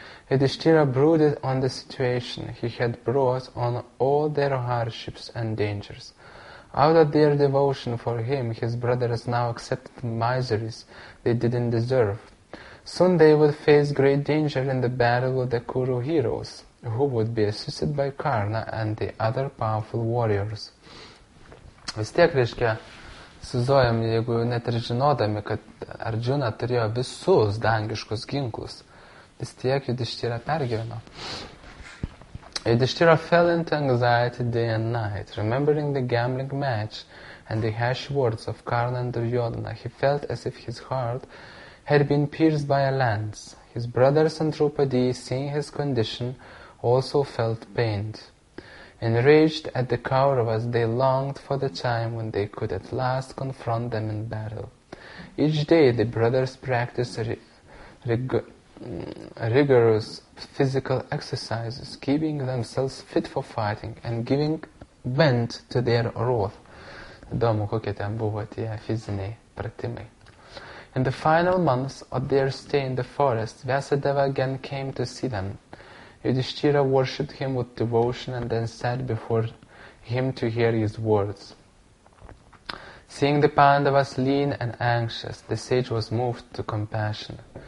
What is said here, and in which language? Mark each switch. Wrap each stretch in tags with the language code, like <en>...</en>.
<en>Yudhishthira brooded on the situation he had brought on all their hardships and dangers. Out of their devotion for him, his brothers now accepted miseries they didn't deserve. Soon they would face great danger in the battle with the Kuru heroes, who would be assisted by Karna and the other powerful warriors.</en> <lt>Vis tiek, reiškia, suzojom, jeigu net ir žinodami, kad Arjuna turėjo visus dangiškus ginklus, vis tiek Yudhishthira pergyveno.</lt> <en>Yudhishthira fell into anxiety day and night, remembering the gambling match and the harsh words of Karna and Duryodhana. He felt as if his heart had been pierced by a lance. His brothers and Draupadi, seeing his condition, also felt pained. Enraged at the Kauravas, they longed for the time when they could at last confront them in battle. Each day the brothers practiced rigorous physical exercises, keeping themselves fit for fighting and giving vent to their wrath.</en> <lt>Įdomu, kokie ten buvo tie fiziniai pratimai.</lt> <en>In the final months of their stay in the forest, Vyasadeva again came to see them. Yudhishthira worshipped him with devotion and then sat before him to hear his words. Seeing the Pandavas lean and anxious, the sage was moved to compassion.</en>